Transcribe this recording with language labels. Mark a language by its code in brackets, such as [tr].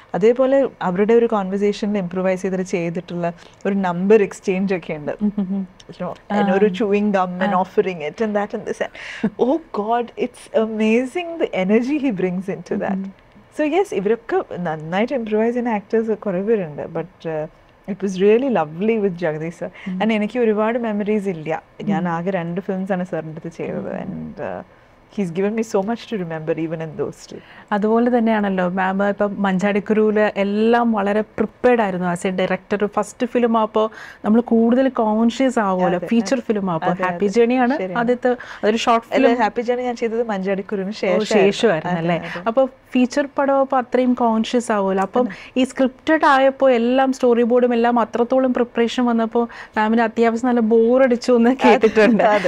[ml] അതേപോലെ അവരുടെ ഒരു കോൺവെർസേഷനിൽ ഇംപ്രൂവൈസ് ചെയ്തിട്ട് ചെയ്തിട്ടുള്ള ഒരു നമ്പർ എക്സ്ചേഞ്ച് ഒക്കെ ഉണ്ട്, ഒരു chewing gum [en] And offering it and that and this and oh God it's amazing the energy he brings in to that. [ml] So yes, ഇവരൊക്കെ നന്നായിട്ട് ഇംപ്രൂവൈസ് ചെയ്യുന്ന ആക്ടേഴ്സ് കുറേ പേരുണ്ട്. [en] But it was really lovely with Jagadish sir. [ml] And എനിക്ക് ഒരുപാട് memories ഇല്ല, ഞാൻ ആകെ രണ്ട് ഫിലിംസാണ് സാറിൻ്റെ അടുത്ത് ചെയ്തത്. [en] And He's given me so much to remember even in those two. [ml] അതുപോലെ തന്നെയാണല്ലോ മാം, ഇപ്പം മഞ്ചാടിക്കുരുവിൽ എല്ലാം വളരെ പ്രിപ്പേർഡ് ആയിരുന്നു [en] As a director. [ml] First film ആപ്പോൾ നമ്മൾ കൂടുതൽ കോൺഷ്യസ് ആവുമല്ലോ, ഫീച്ചർ ഫിലിം ആപ്പോൾ. ഹാപ്പി ജേണി ആണ് ആദ്യത്തെ, അതൊരു ഷോർട്ട് ഫിലിം. ഹാപ്പി ജേണി ഞാൻ ചെയ്തത് മഞ്ചാടിക്കുരുവിന് ശേഷമായിരുന്നു അല്ലേ. അപ്പോൾ ഫീച്ചർ പടം അപ്പോൾ അത്രയും കോൺഷ്യസ് ആവുമല്ലോ. അപ്പം ഈ സ്ക്രിപ്റ്റഡ് ആയപ്പോൾ എല്ലാം സ്റ്റോറി ബോർഡും എല്ലാം അത്രത്തോളം പ്രിപ്പറേഷൻ വന്നപ്പോൾ മാമിന് അത്യാവശ്യം നല്ല ബോറടിച്ചു എന്ന് കേട്ടിട്ടുണ്ട്.